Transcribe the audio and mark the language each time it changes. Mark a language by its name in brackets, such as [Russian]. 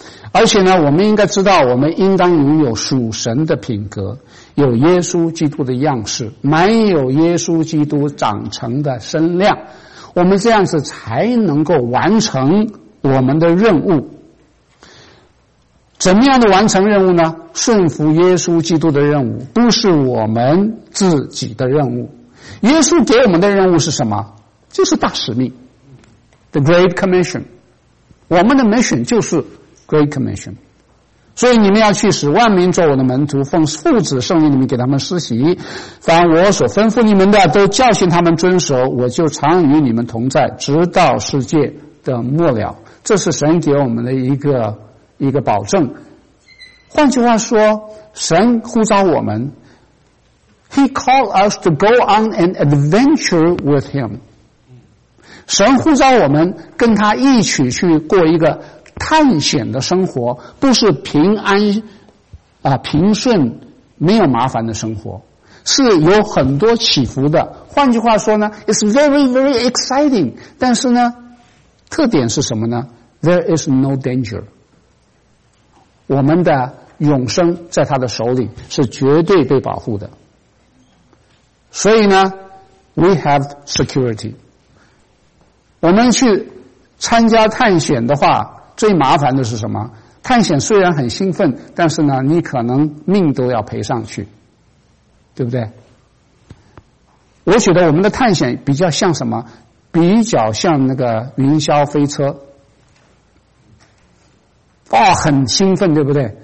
[Chinese] 而且呢，我们应该知道，我们应当拥有属神的品格，有耶稣基督的样式，满有耶稣基督长成的身量，我们这样子才能够完成我们的任务。怎么样的完成任务呢？顺服耶稣基督的任务，不是我们自己的任务。耶稣给我们的任务是什么？就是大使命， The Great Commission。 我们的 mission 就是 Great Commission。所以你们要去使万民做我的门徒，奉父子圣灵你们给他们施洗，凡我所吩咐你们的都教训他们遵守，我就常与你们同在，直到世界的末了。这是神给我们的一个保证。换句话说，神呼召我们， [English] He called us to go on an adventure with him。 [Chinese] 神呼召我们跟他一起去过一个探险的生活，不是平安啊平顺没有麻烦的生活，是有很多起伏的。换句话说呢， [English] It's very very exciting。 [Chinese] 但是呢，特点是什么呢？ [English] There is no danger。 [Chinese] 我们的永生在他的手里，是绝对被保护的。所以呢， [English] We have security。 [Chinese] 我们去参加探险的话，最麻烦的是什么？探险虽然很兴奋，但是呢，你可能命都要赔上去，对不对？我觉得我们的探险比较像什么？比较像那个云霄飞车，哇，很兴奋，对不对？